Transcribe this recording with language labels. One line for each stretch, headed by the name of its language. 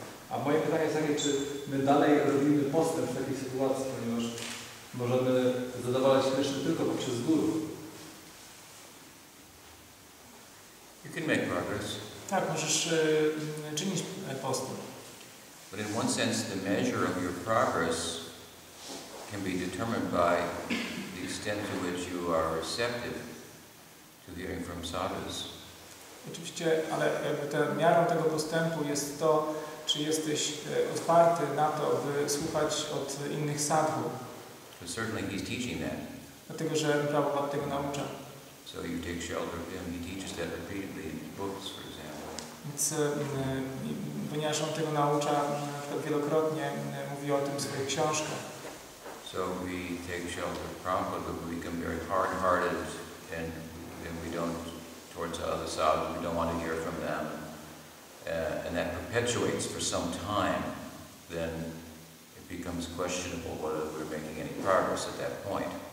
Polish: A moje pytanie jest takie, czy my dalej robimy postęp w takiej sytuacji, ponieważ możemy zadowalać się jeszcze tylko poprzez guru.
English: You can make progress.
Polish: Tak, możesz czynić postęp.
English: But in one sense, the measure of your progress can be determined by the extent to which you are receptive to hearing from sadhus.
Polish: Oczywiście, ale jakby te, miarą tego postępu jest to, czy jesteś otwarty na to, by słuchać od innych sadhu.
English: But certainly he's teaching that.
Polish: Dlatego, że Prabhupada tego naucza.
English: So you take shelter of him. He teaches that repeatedly in books, for example.
Polish: Więc ponieważ on tego naucza, wielokrotnie mówi o tym w swoich książkach.
English: So we take shelter of Prabhupada, but we become very hard-hearted, and then we don't towards other sadhus. We don't want to hear from them, and that perpetuates for some time. Then it becomes questionable whether we're making any progress at that point.